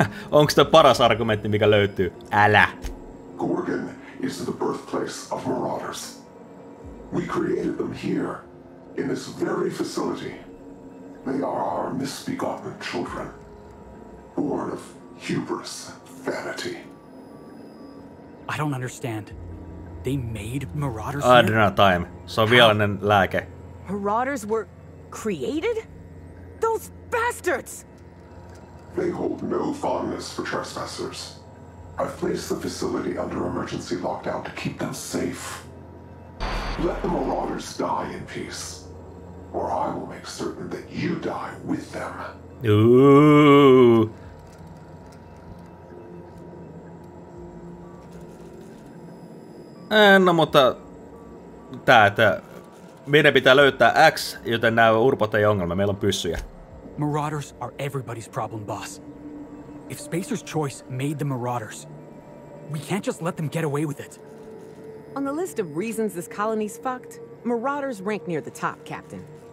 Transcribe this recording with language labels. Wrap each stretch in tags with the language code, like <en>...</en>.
<fi>Onko tämä paras argumentti, mikä löytyy? Älä!</fi> <en>Gorgon is the birthplace of marauders. We created them here, in this very facility. They are our misbegotten children, born of hubris and vanity. I don't understand. They made marauders here? I don't have time.</en> <fi>Se on viallinen lääke.</fi> <en>Marauders were created? Those bastards! They hold no fondness for trespassers. I've placed the facility under emergency lockdown to keep them safe. Let the marauders die in peace, or I will make certain that you die with them. Ooh.</en> <fi>No, mutta tää, että meidän pitää löytää X, joten nämä urpot ei ongelma, meillä on pyssyjä.</fi> <en>Marauders are everybody's problem, boss. If Spacer's Choice made the Marauders, we can't just let them get away with it. On the list of reasons this colony's fucked, Marauders rank near the top, Captain.</en>